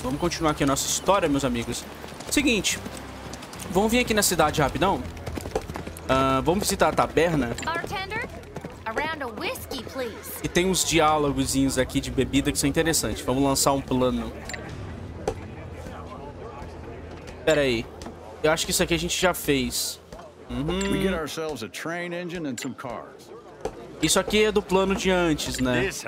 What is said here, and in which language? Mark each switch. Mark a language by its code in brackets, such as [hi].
[pt] Vamos continuar aqui a nossa história, meus amigos. Seguinte, vamos vir aqui na cidade rapidão. Vamos visitar a taberna. [en] Bartender, around a whiskey, please. [pt] E tem uns diálogozinhos aqui de bebida que são interessantes. Vamos lançar um plano. Pera aí, eu acho que isso aqui a gente já fez. [en] We get ourselves a train engine and some cars. [pt] Isso aqui é do plano de antes, né?